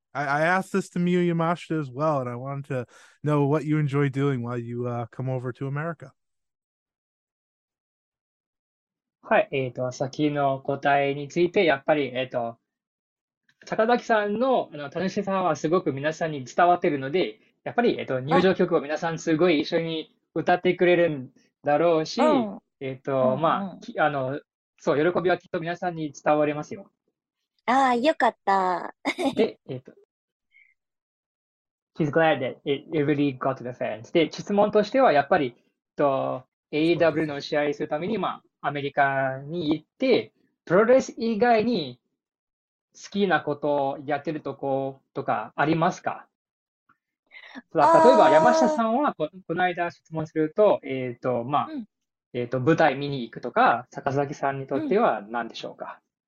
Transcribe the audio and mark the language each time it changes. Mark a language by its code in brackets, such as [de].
[en] I asked this to Miyu Yamashita as well, and I wanted to know what you enjoy doing while you come over to America. [ja] はい、先の答えについて、やっぱり、高崎さん の楽しさはすごく皆さんに伝わっているので、やっぱり、入場曲を皆さんすごい一緒に歌ってくれるんだろうし、そう、喜びはきっと皆さんに伝わりますよ。ああ、よかった。 [en] で、She's glad that it really got to the fans. [ja] で、質問としては、やっぱり、AEW の試合するために、まあ、アメリカに行って、プロレス以外に好きなことをやってるとことかありますか？例えば、山下さんはこの間質問すると、舞台見に行くとか、坂崎さんにとっては何でしょうか？